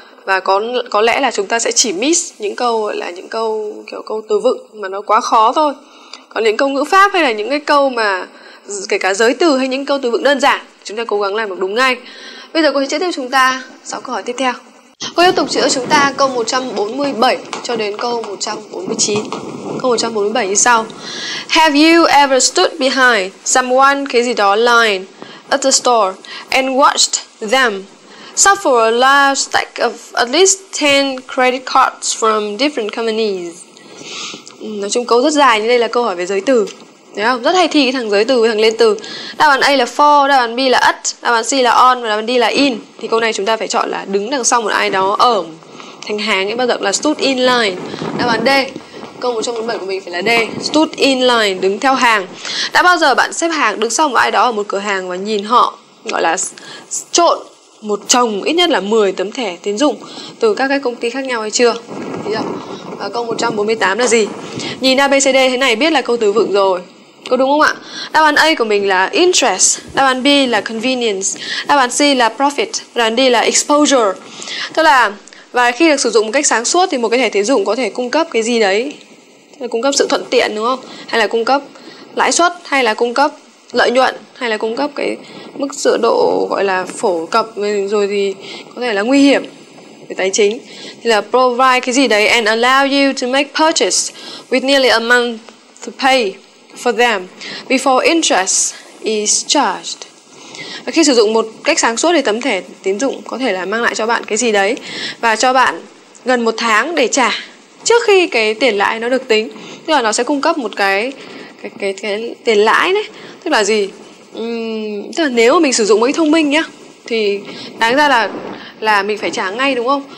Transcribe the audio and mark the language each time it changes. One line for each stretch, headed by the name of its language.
Vietnamese: Và có lẽ là chúng ta sẽ chỉ miss những câu gọi là những câu kiểu câu từ vựng mà nó quá khó thôi. Còn những câu ngữ pháp hay là những cái câu mà kể cả giới từ hay những câu từ vựng đơn giản, chúng ta cố gắng làm được đúng ngay. Bây giờ cô sẽ chữa tiếp chúng ta 6 câu hỏi tiếp theo. Cô tiếp tục chữa chúng ta câu 147 cho đến câu 149. Câu 147 như sau.
English: Have you ever stood behind someone,
Vietnamese: cái gì đó,
English: line at the store and watched them suffer a large stack of at least 10 credit cards from different companies?
Vietnamese: Nói chung câu rất dài, như đây là câu hỏi về giới từ, đấy không? Rất hay thi cái thằng giới từ với thằng liên từ. Đáp án A là for, đáp án B là at, đáp án C là on và đáp án D là in. Thì câu này chúng ta phải chọn là đứng đằng sau một ai đó ở thành hàng ấy, bao giờ là
English: stood in line.
Vietnamese: Đáp án D, câu 147 của mình phải là D,
English: stood in line,
Vietnamese: đứng theo hàng. Đã bao giờ bạn xếp hàng đứng sau một ai đó ở một cửa hàng và nhìn họ gọi là trộn một chồng ít nhất là 10 tấm thẻ tín dụng từ các cái công ty khác nhau hay chưa? Thì giờ, và câu 148 là gì? Nhìn ABCD thế này biết là câu từ vựng rồi, có đúng không ạ? Đáp án A của mình là interest, đáp án B là convenience, đáp án C là profit, đáp án D là exposure. Tức là, và khi được sử dụng một cách sáng suốt thì một cái thẻ tín dụng có thể cung cấp cái gì đấy? Là cung cấp sự thuận tiện, đúng không? Hay là cung cấp lãi suất, hay là cung cấp lợi nhuận, hay là cung cấp cái mức sự độ gọi là phổ cập, rồi thì có thể là nguy hiểm về tài chính. Thì là
English: provide
Vietnamese: cái gì đấy
English: and allow you to make purchase with nearly a month to pay for them before interest is charged.
Vietnamese: Và khi sử dụng một cách sáng suốt thì tấm thẻ tín dụng có thể là mang lại cho bạn cái gì đấy và cho bạn gần một tháng để trả trước khi cái tiền lãi nó được tính. Tức là nó sẽ cung cấp một cái tiền lãi đấy. Tức là gì? Tức là nếu mình sử dụng một cái thông minh nhá, thì đáng ra là mình phải trả ngay, đúng không?